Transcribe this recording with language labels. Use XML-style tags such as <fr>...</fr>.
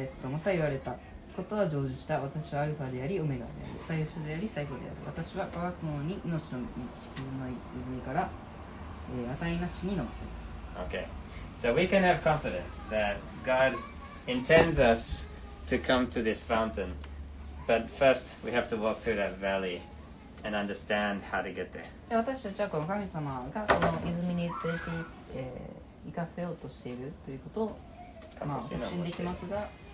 <ja>また言われたことは成就した。私はアルファであり、オメガであり、最初であり、最後である。私は乾くものに命の泉から、値なしに飲ませる。</ja> <en>Okay. So we can have confidence that God intends us to come to this fountain. But first, we have to walk through that valley and understand how to get there.</en> <ja>私たちはこの神様がこの泉に連れて、行かせようとしているということを、まあ、確信できますが、</ja>